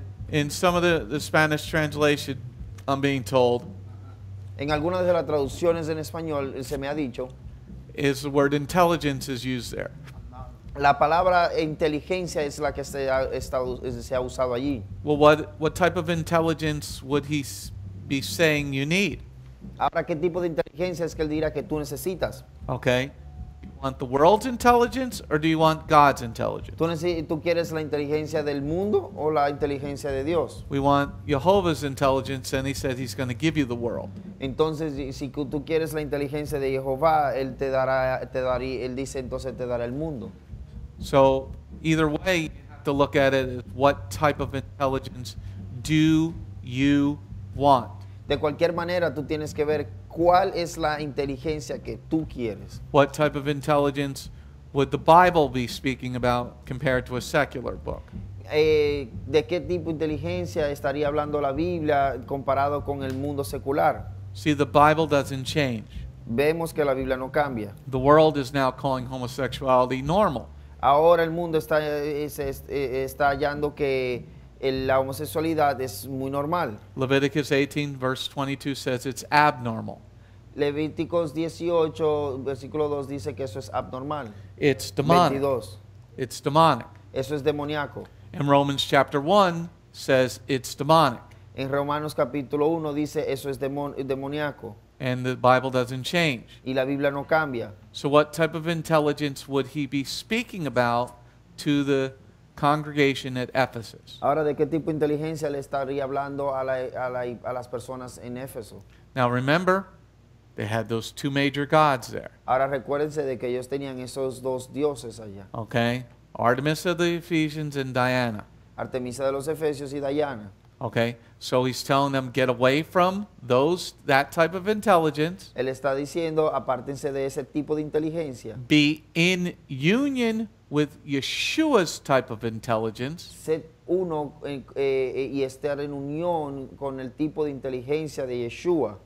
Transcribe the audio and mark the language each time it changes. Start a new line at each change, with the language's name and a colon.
English: In some of the Spanish translation, I'm being told.
Spanish: En algunas de las traducciones en español se me ha dicho.
English: Is the word intelligence is used there?
Spanish: La palabra inteligencia es la que se ha usado allí.
English: Well, what type of intelligence would he be saying you need?
Spanish: Ahora, ¿qué tipo de inteligencia es que él dirá que tú necesitas?
English: Okay. Do you want the world's intelligence or do you want God's intelligence?
Spanish: ¿Tú quieres la inteligencia del mundo o la inteligencia de Dios?
English: We want Jehovah's intelligence and he says he's going to give you the world.
Spanish: Entonces, si tú quieres la inteligencia de Jehová, él te dará, él dice entonces te dará el mundo.
English: So, either way, you have to look at it, what type of intelligence do you want?
Spanish: De cualquier manera, tú tienes que ver cuál es la inteligencia que tú quieres.
English: What type of intelligence would the Bible be speaking about compared to a secular book?
Spanish: ¿De qué tipo de inteligencia estaría hablando la Biblia comparado con el mundo secular?
English: See, the Bible doesn't change.
Spanish: Vemos que la Biblia no cambia.
English: The world is now calling homosexuality normal.
Spanish: Ahora el mundo está hallando que la homosexualidad es muy normal.
English: Leviticus 18 verse 22 says it's abnormal.
Spanish: Levíticos 18 versículo 2 dice que eso es abnormal.
English: It's demonic.
Spanish: 22.
English: It's demonic.
Spanish: Eso es demoníaco.
English: And Romans chapter 1 says it's demonic.
Spanish: En Romanos capítulo 1 dice eso es demoníaco.
English: And the Bible doesn't change.
Spanish: Y la Biblia no cambia.
English: So what type of intelligence would he be speaking about to the congregation at Ephesus?
Spanish: Ahora, ¿de qué tipo de inteligencia le estaría hablando a las personas en Éfeso?
English: Now remember, they had those two major gods there.
Spanish: Ahora recuérdense de que ellos tenían esos dos dioses allá.
English: Okay, Artemis of the Ephesians and Diana.
Spanish: Artemisa de los Efesios y Diana.
English: Okay, so he's telling them get away from those that type of intelligence.
Spanish: Él está diciendo apártense de ese tipo de inteligencia.
English: Be in union with Yeshua's type of intelligence.
Spanish: Ser uno y estar en unión con el tipo de inteligencia de Yeshua.